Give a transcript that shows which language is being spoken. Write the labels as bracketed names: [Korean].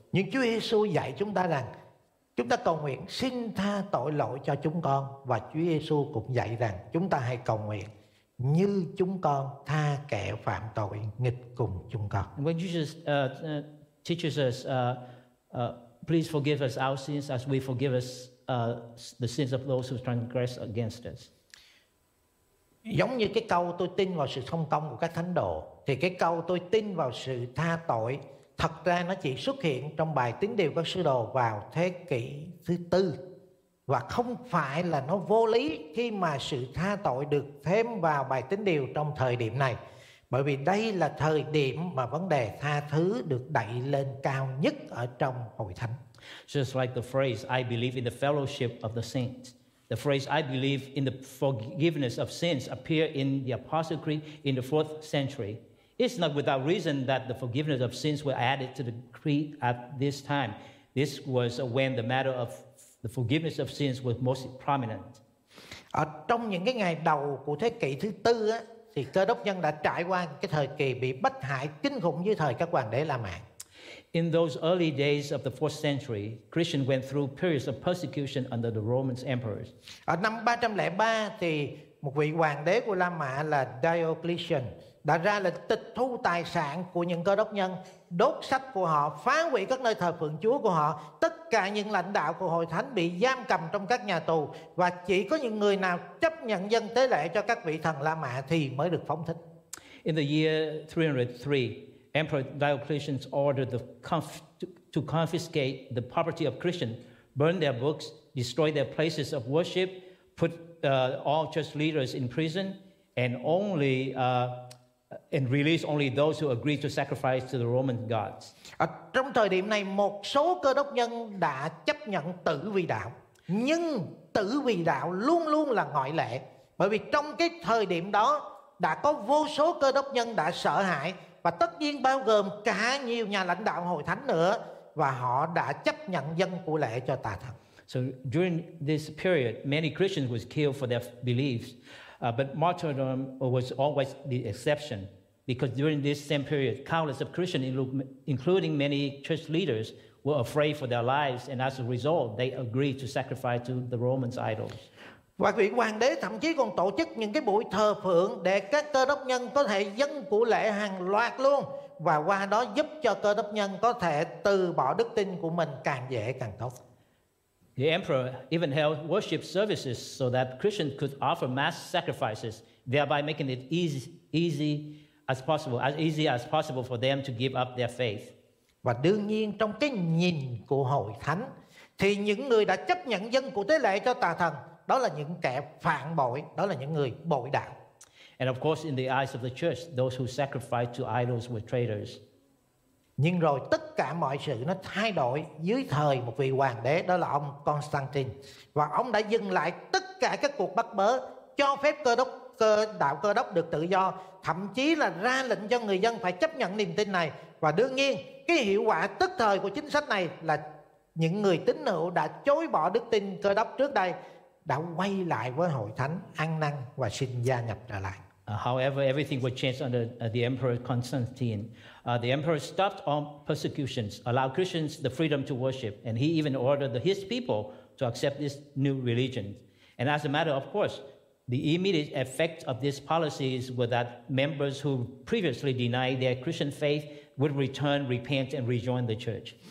[Vietnamese] Nhưng Chúa Giêsu dạy chúng ta rằng chúng ta cầu nguyện xin tha tội lỗi cho chúng con, và Chúa Giêsu cũng dạy rằng chúng ta hãy cầu nguyện như chúng con tha kẻ phạm tội nghịch cùng chúng con. [English] When Jesus teaches us, please forgive us our sins as we forgive us the sins of those who transgress against us. [Vietnamese] Giống như cái câu tôi tin vào sự thông công của các thánh đồ, thì cái câu tôi tin vào sự tha tội thật ra nó chỉ xuất hiện trong bài tín điều các sứ đồ vào thế kỷ thứ tư. Và không phải là nó vô lý khi mà sự tha tội được thêm vào bài tín điều trong thời điểm này, bởi vì đây là thời điểm mà vấn đề tha thứ được đẩy lên cao nhất ở trong hội thánh. [English] Just like the phrase I believe in the fellowship of the saints, the phrase I believe in the forgiveness of sins appear in the Apostles' Creed in the 4th century. It's not without reason that the forgiveness of sins were added to the creed at this time. This was when the matter of the forgiveness of sins was most prominent. [Vietnamese] Ở trong những cái ngày đầu của thế kỷ thứ tư á, thì Cơ đốc nhân đã trải qua cái thời kỳ bị bắt hại kinh khủng dưới thời các hoàng đế La Mã. [English] In those early days of the 4th century, Christians went through periods of persecution under the Roman emperors. [Vietnamese] Ở năm 303 thì một vị hoàng đế của La Mã là Diocletian đã ra lệnh tịch thu tài sản của những Cơ đốc nhân, đốt sách của họ, phá hủy các nơi thờ phượng Chúa của họ. Tất cả những lãnh đạo của hội thánh bị giam cầm trong các nhà tù, và chỉ có những người nào chấp nhận dâng tế lễ cho các vị thần La Mã thì mới được phóng thích. [English] In the year 303, Emperor Diocletian ordered to confiscate the property of Christians, burn their books, destroy their places of worship, put all church leaders in prison, and release only those who agreed to sacrifice to the Roman gods. [Vietnamese] Ở trong thời điểm này, một số Cơ đốc nhân đã chấp nhận tử vì đạo. Nhưng tử vì đạo luôn luôn là ngoại lệ, bởi vì trong cái thời điểm đó đã có vô số Cơ đốc nhân đã sợ hãi, và tất nhiên bao gồm cả nhiều nhà lãnh đạo hội thánh nữa, và họ đã chấp nhận dâng của lễ cho tà thần. [English] So during this period, many Christians were killed for their beliefs. But martyrdom was always the exception, because during this same period, countless of Christians, including many church leaders, were afraid for their lives, and as a result, they agreed to sacrifice to the Roman idols. [Vietnamese] Và vị hoàng đế thậm chí còn tổ chức những cái buổi thờ phượng để các Cơ đốc nhân có thể dâng của lễ hàng loạt luôn, và qua đó giúp cho Cơ đốc nhân có thể từ bỏ đức tin của mình càng dễ càng tốt. [English] The emperor even held worship services so that Christians could offer mass sacrifices, thereby making it as easy as possible for them to give up their faith. [Vietnamese] Và đương nhiên trong cái nhìn của hội thánh thì những người đã chấp nhận dân của tế lễ cho tà thần, đó là những kẻ phản bội, đó là những người bội đạo. [English] And of course in the eyes of the church, those who sacrificed to idols were traitors. [Vietnamese] Nhưng rồi tất cả mọi sự nó thay đổi dưới thời một vị hoàng đế, đó là ông Constantine. Và ông đã dừng lại tất cả các cuộc bắt bớ, cho phép đạo cơ đốc được tự do, thậm chí là ra lệnh cho người dân phải chấp nhận niềm tin này. Và đương nhiên, cái hiệu quả tức thời của chính sách này là những người tín hữu đã chối bỏ đức tin cơ đốc trước đây đã quay lại với hội thánh, ăn năn và xin gia nhập trở lại. [English] However, everything was changed under the Emperor Constantine. The Emperor stopped all persecutions, allowed Christians the freedom to worship, and he even ordered his people to accept this new religion. And as a matter of course, the immediate effect of these policies were that members who previously denied their Christian faith would return, repent, and rejoin the church.